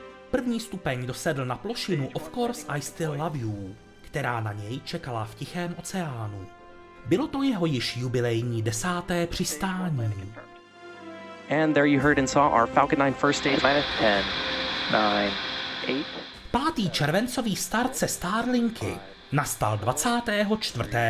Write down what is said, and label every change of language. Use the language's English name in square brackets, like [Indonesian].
[Czech] První stupeň dosedl na plošinu Of Course I Still Love You, která na něj čekala v Tichém oceánu. Bylo to jeho již jubilejní 10. přistání. [English] And there you heard and saw our Falcon 9 first stage. 10, 9, 8. 5. [Czech] červencový start se Starlinky nastal 24.